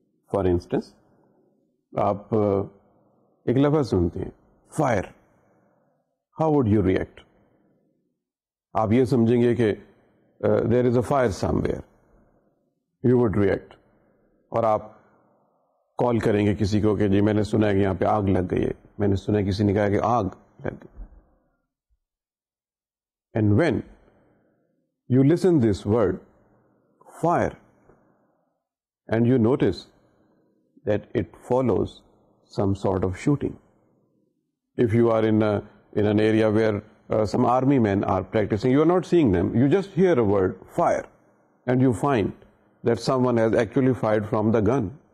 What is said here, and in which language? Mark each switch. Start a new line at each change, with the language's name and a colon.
English: For instance
Urdu: aap ek lafaz sunte hain
English: fire, how would you react?
Urdu: آپ یہ سمجھیں گے کہ
English: there is a fire somewhere, you would react,
Urdu: اور آپ کال کریں گے کسی کو کہ جی میں نے سنا ہے کہ یہاں پہ آگ لگ گئی ہے, میں نے سنا ہے کسی نے کہا کہ آگ لگ گئی.
English: And when you listen this word fire and you notice that it follows some sort of shooting, if you are in an area where some army men are practicing, you are not seeing them, you just hear a word fire and you find that someone has actually fired from the gun.